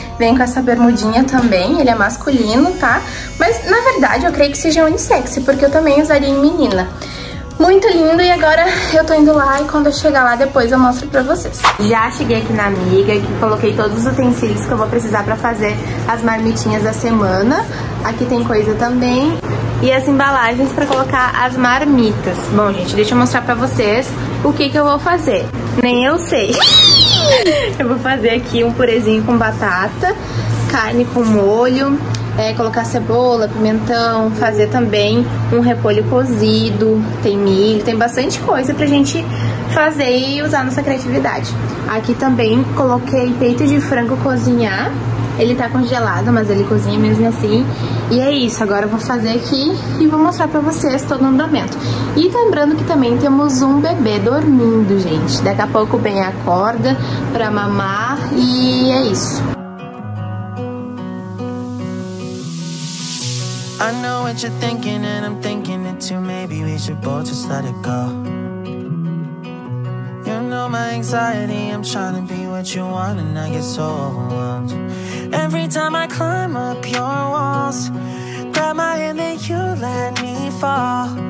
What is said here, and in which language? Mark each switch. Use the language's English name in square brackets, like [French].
[Portuguese] Vem com essa bermudinha também, ele é masculino, tá? Mas na verdade eu creio que seja unissex, porque eu também usaria em menina. Muito lindo, e agora eu tô indo lá e quando eu chegar lá depois eu mostro pra vocês. Já cheguei aqui na amiga, que coloquei todos os utensílios que eu vou precisar pra fazer as marmitinhas da semana. Aqui tem coisa também. E as embalagens pra colocar as marmitas. Bom, gente, deixa eu mostrar pra vocês o que que eu vou fazer. Nem eu sei. Eu vou fazer aqui um purezinho com batata, carne com molho, colocar cebola, pimentão, fazer também um repolho cozido, tem milho, tem bastante coisa pra gente fazer e usar nossa criatividade. Aqui também coloquei peito de frango cozinhar. Ele tá congelado, mas ele cozinha mesmo assim. E é isso, agora eu vou fazer aqui e vou mostrar pra vocês todo o andamento. E lembrando que também temos um bebê dormindo, gente. Daqui a pouco o Ben acorda pra mamar e é isso. [English] I know what you're thinking and I'm thinking it too. Maybe we should both just let it go. You know my anxiety, I'm trying to be what you want and I get so overwhelmed. Every time I climb up your walls, grab my hand and you let me fall.